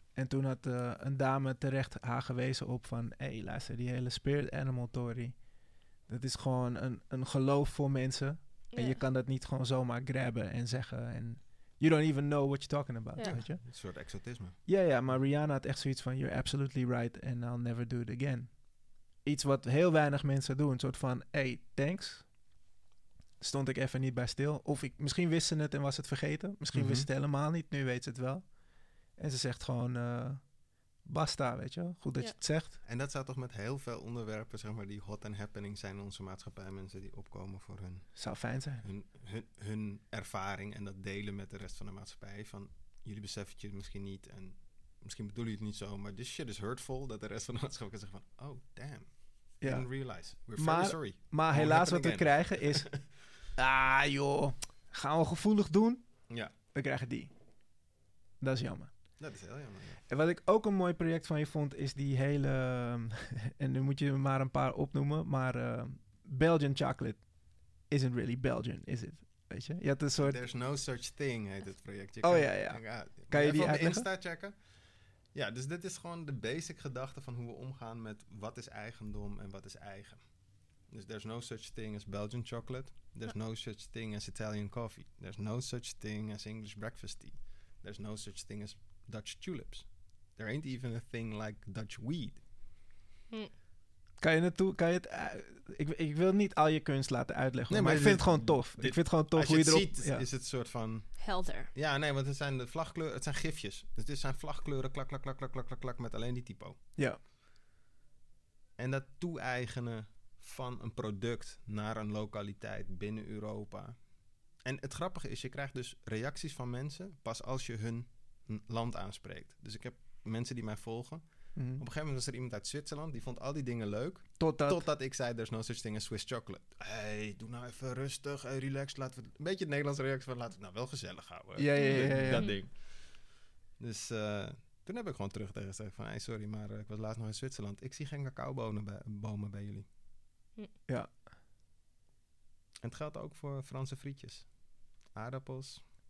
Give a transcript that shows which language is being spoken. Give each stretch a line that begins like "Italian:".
Dutch: En toen had een dame terecht haar gewezen op van... Hey, luister, die hele spirit animal story... Dat is gewoon een geloof voor mensen. Yeah. En je kan dat niet gewoon zomaar grabben en zeggen.
English: En you don't even know what you're talking about.
Dutch: Yeah. Weet je? Een soort exotisme. Ja, ja, maar Rihanna had echt zoiets van...
English: You're absolutely right and I'll never do it again.
Dutch: Iets wat heel weinig mensen doen. Een soort van, hey,
English: thanks.
Dutch: Stond ik even niet bij stil. Of ik, misschien wist ze het en was het vergeten. Misschien, mm-hmm, wist ze het helemaal niet. Nu weet ze het wel. En ze zegt gewoon... Basta, weet je. Goed dat, ja, je het zegt. En dat staat toch met heel veel onderwerpen, zeg maar, die
English: hot and happening
Dutch: zijn in onze maatschappij. Mensen die opkomen voor hun... Zou fijn zijn. Hun ervaring en dat delen met de rest van de maatschappij. Van, jullie beseffen het misschien niet en misschien bedoelen jullie het niet zo, maar
English: this shit is hurtful
Dutch: dat de rest van de maatschappij kan zeggen van,
English: oh, damn. Ja. I didn't realize. We're very sorry.
Dutch: Maar oh, helaas wat we again krijgen is, ah, joh, gaan we gevoelig doen? Ja. We krijgen die. Dat is jammer. Dat is heel jammer. En wat ik ook een mooi project van je vond, is die hele... en nu moet je maar een paar opnoemen, maar...
English: Belgian chocolate isn't really Belgian, is it?
Dutch: Weet je? Je had een soort...
English: There's no such thing,
Dutch: heet het project. Je oh, kan, ja, ja. Kan je die even Op Insta checken. Ja, dus dit is gewoon de basic gedachte van hoe we omgaan met wat is eigendom en wat is eigen.
English: Dus there's no such thing as Belgian chocolate. There's no such thing as Italian coffee. There's no such thing as English breakfast tea. There's no such thing as Dutch tulips. There ain't even a thing like Dutch weed.
Dutch: Kan je het... Ik wil niet al je kunst laten uitleggen. Nee, maar ik vind het gewoon tof. Ik vind het gewoon tof hoe je erop... Als je het ziet, is het soort van... Helder. Ja, nee, want het zijn de vlagkleuren... Het zijn gifjes. Het zijn vlagkleuren, klak, klak, klak, klak, klak, klak, klak, met alleen die typo. Ja. En dat toe-eigenen van een product naar een lokaliteit binnen Europa. En het grappige is, je krijgt dus reacties van mensen pas als je hun... land aanspreekt. Dus ik heb mensen die mij volgen. Mm. Op een gegeven moment was er iemand uit Zwitserland, die vond al die dingen leuk. Totdat ik zei,
English: there's no such thing as Swiss chocolate.
Dutch: Hey, doe nou even rustig, hey, relax. Laten we een beetje het Nederlands reactie van, laten we het nou wel gezellig houden. Ja, ja, ja, ja, ja. Dat ding. Dus toen heb ik gewoon terug tegen gezegd van, hey, sorry, maar ik was laatst nog in Zwitserland. Ik zie geen cacaobonen bomen bij jullie. Ja. En het geldt ook voor Franse frietjes. Aardappels.